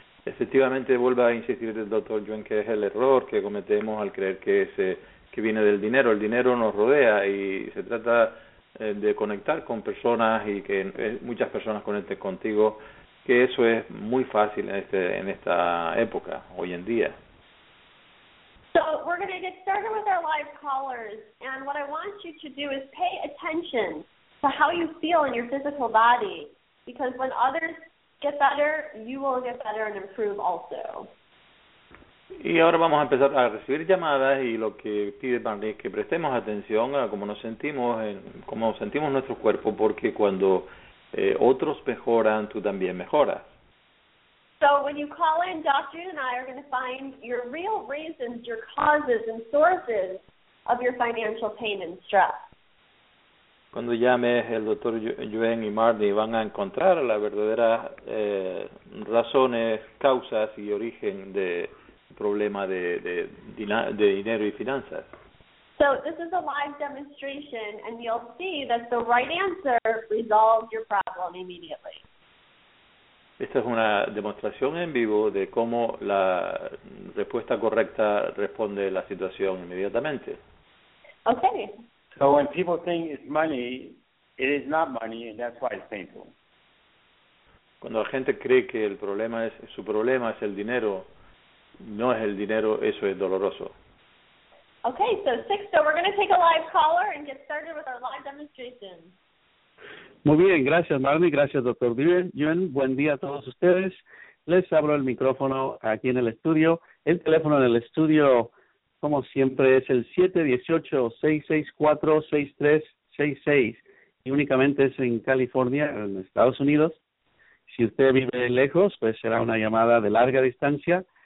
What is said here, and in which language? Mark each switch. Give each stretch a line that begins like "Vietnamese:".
Spanish: Efectivamente, vuelve a insistir el Dr. Yuen que es el error que cometemos al creer que ese que viene del dinero. El dinero nos rodea y se trata de conectar con personas y que muchas personas conecten contigo, que eso es muy fácil en esta época, hoy en día.
English: So we're going to get started with our live callers, and what I want you to do is pay attention to how you feel in your physical body, because when others get better, you will get better and improve also.
Spanish: Y ahora vamos a empezar a recibir llamadas y lo que pide Barney es que prestemos atención a cómo nos sentimos en nuestro cuerpo, porque cuando otros mejoran, tú también mejoras.
English: So when you call in, Dr. and I are going to find your real reasons, your causes and sources of your financial pain and stress.
Spanish: Cuando llames, el Dr. Yuen y Marnie van a encontrar las verdaderas razones, causas y origen de problema de dinero y finanzas.
English: So this is a live demonstration, and you'll see that the right answer resolves your problem immediately.
Spanish: Esta es una demostración en vivo de cómo la respuesta correcta responde la situación inmediatamente.
English: Okay. So when people think it's money, it is not money, and that's why it's painful.
Spanish: Cuando la gente cree que el problema es su problema es el dinero, no es el dinero, eso es doloroso.
English: Okay, so Sixto, we're going to take a live caller and get started with our live demonstration.
Spanish: Muy bien, gracias Marnie, gracias Dr. Yuen. Buen día a todos ustedes. Les abro el micrófono aquí en el estudio. El teléfono en el estudio, como siempre, es el 718-664-6366. Y únicamente es en California, en Estados Unidos. Si usted vive lejos, pues será una llamada de larga distancia.